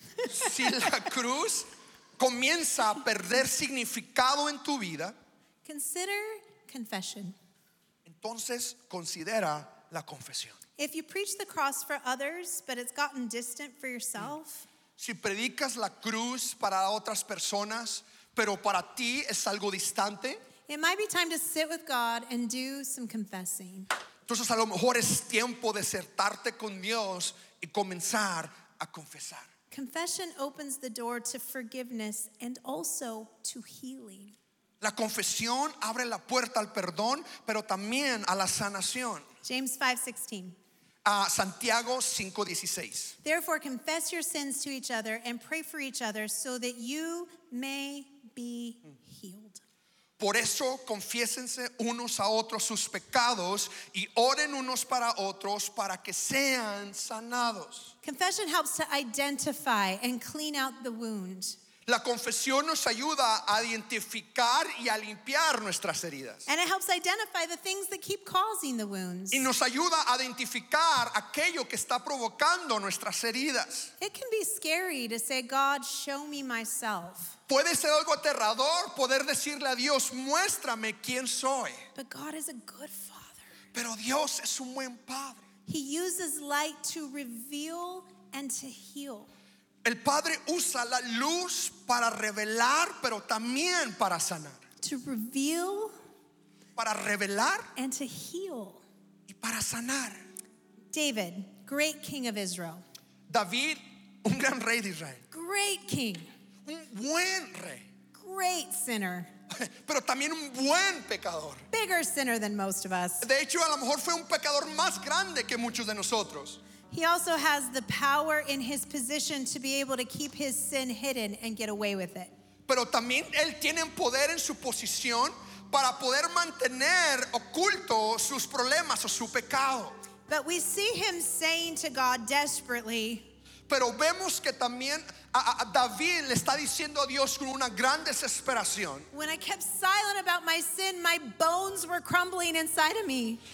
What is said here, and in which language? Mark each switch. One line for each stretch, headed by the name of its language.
Spanish: si la cruz comienza a perder significado en tu vida,
English: consider confession.
Spanish: Entonces considera la confesión.
English: If you preach the cross for others, but it's gotten distant for yourself,
Spanish: si predicas la cruz para otras personas, pero para ti es algo distante,
English: it might be time to sit with God and do some confessing.
Spanish: Entonces a lo mejor es tiempo de sentarte con Dios y comenzar a confesar.
English: Confession opens the door to forgiveness and also to healing.
Spanish: La confesión abre la puerta al perdón, pero también a la sanación.
English: James 5:16.
Spanish: Santiago 5:16.
English: Therefore confess your sins to each other and pray for each other so that you may be healed.
Spanish: Por eso confiésense unos a otros sus pecados y oren unos para otros para que sean sanados.
English: Confession helps to identify and clean out the wound.
Spanish: La confesión nos ayuda a identificar y a limpiar nuestras heridas.
English: And it helps identify the things that keep causing the wounds.
Spanish: Y nos ayuda a identificar aquello que está provocando nuestras heridas.
English: It can be scary to say, God, show me myself.
Spanish: Puede ser algo aterrador poder decirle a Dios, muéstrame quién soy.
English: But God is a good father.
Spanish: Pero Dios es un buen padre.
English: He uses light to reveal and to heal.
Spanish: El Padre usa la luz para revelar, pero también para sanar.
English: To reveal.
Spanish: Para revelar.
English: And to heal.
Spanish: Y para sanar.
English: David, great king of Israel.
Spanish: David, un gran rey de Israel.
English: Great king.
Spanish: Un buen rey.
English: Great sinner.
Spanish: Pero también un buen pecador.
English: Bigger sinner than most of us.
Spanish: De hecho, a lo mejor fue un pecador más grande que muchos de nosotros.
English: He also has the power in his position to be able to keep his sin hidden and get away with it.
Spanish: Pero también él tiene poder en su posición para poder mantener oculto sus problemas o su pecado.
English: But we see him saying to God desperately.
Spanish: Pero vemos que también a David le está diciendo a Dios con una gran desesperación.
English: When I kept silent about my sin, my bones were crumbling inside of me.